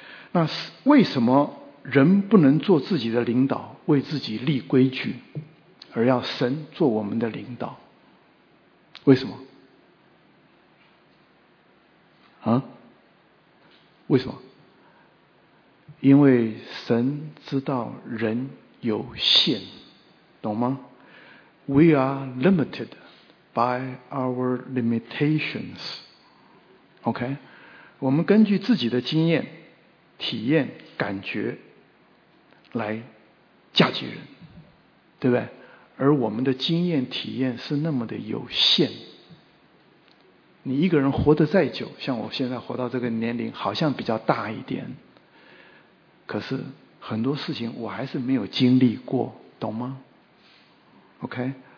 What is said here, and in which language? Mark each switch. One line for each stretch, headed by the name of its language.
Chinese: 那为什么人不能做自己的领导，为自己立规矩，而要神做我们的领导？为什么？啊？为什么？因为神知道人有限，懂吗？
English: We are limited by our limitations.
Chinese: OK， 我们根据自己的经验体验感觉来嫁接人，对不对？而我们的经验体验是那么的有限，你一个人活得再久，像我现在活到这个年龄好像比较大一点，可是很多事情我还是没有经历过，懂吗？ OK，